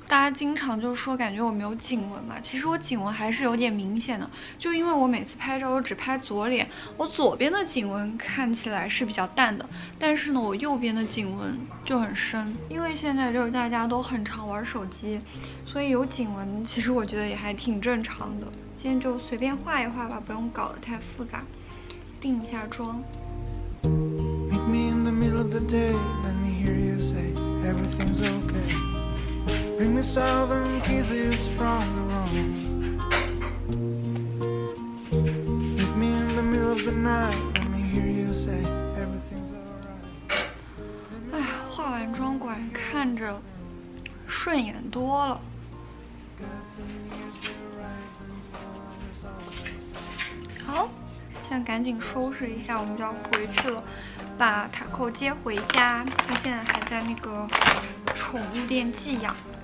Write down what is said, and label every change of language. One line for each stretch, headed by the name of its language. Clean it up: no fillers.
Chinese: 大家经常就说感觉我没有颈纹嘛，其实我颈纹还是有点明显的，就因为我每次拍照我只拍左脸，我左边的颈纹看起来是比较淡的，但是呢我右边的颈纹就很深。因为现在就是大家都很常玩手机，所以有颈纹其实我觉得也还挺正常的。今天就随便画一画吧，不用搞得太复杂，定一下妆。
English: Meet me in the middle of the day, let me hear you sayEverything's okay. Bring me southern kisses from the room. Meet me in the middle of the night. Let me hear you say everything's alright.
Chinese: 哎，化完妆果然看着顺眼多了。好，现在赶紧收拾一下，我们就要回去了。把塔扣接回家，他现在还在那个宠物店寄养。